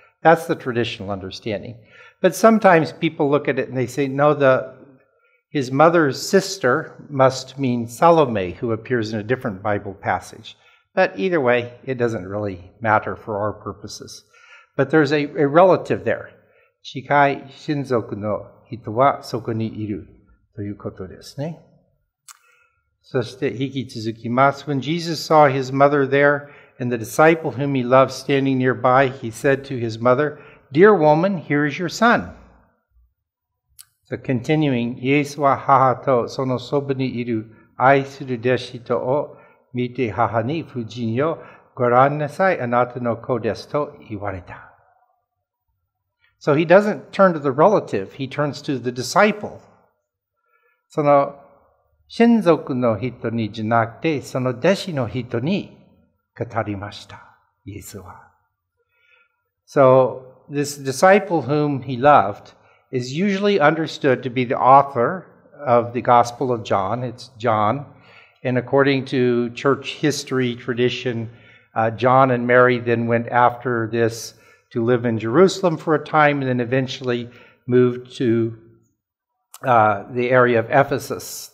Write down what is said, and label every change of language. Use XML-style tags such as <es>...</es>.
<en>That's the traditional understanding. But sometimes people look at it and they say, no, his mother's sister must mean Salome, who appears in a different Bible passage. But either way, it doesn't really matter for our purposes. But there's a relative there.</en> <ja>近い親族の人はそこにいるということですね。そして引き続きます。</ja> <en>When Jesus saw his mother there and the disciple whom he loved standing nearby, he said to his mother, Dear woman, here is your son. So continuing,</en> <ja>イエスは母とそのそばにいる愛する弟子とを見て母に夫人よ、御覧なさい、あなたの子ですと言われた。</ja> <en>So he doesn't turn to the relative, he turns to the disciple.</en> <ja>その親族の人にじゃなくて、その弟子の人に語りました、イエスは。</ja> <en>So this disciple whom he loved is usually understood to be the author of the Gospel of John. It's John. And according to church history tradition, John and Mary then went after this to live in Jerusalem for a time and then eventually moved to the area of Ephesus.</en>